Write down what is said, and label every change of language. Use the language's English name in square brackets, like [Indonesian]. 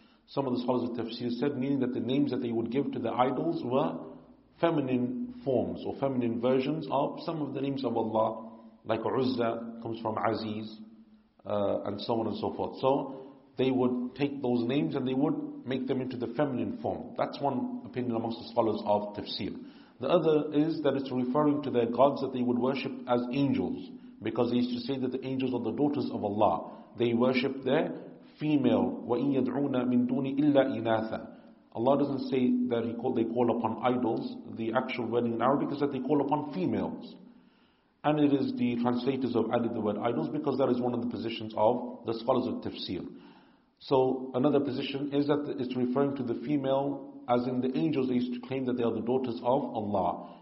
[English] Some of the scholars of Tafsir said, meaning that the names that they would give to the idols were feminine forms or feminine versions of some of the names of Allah, like Uzza comes from Aziz, and so on and so forth. So they would take those names and they would make them into the feminine form. That's one opinion amongst the scholars of Tafsir. The other is that it's referring to their gods that they would worship as angels, because they used to say that the angels are the daughters of Allah. They worship their female. [Arabic] وَإِن يَدْعُونَ مِن دُونِ إِلَّا إِنَاثًا. [English] Allah doesn't say that they call upon idols, the actual word in Arabic is that they call upon females. And it is the translators who have added the word idols because that is one of the positions of the scholars of tafsir. So another position is that it's referring to the female, as in the angels, they used to claim that they are the daughters of Allah.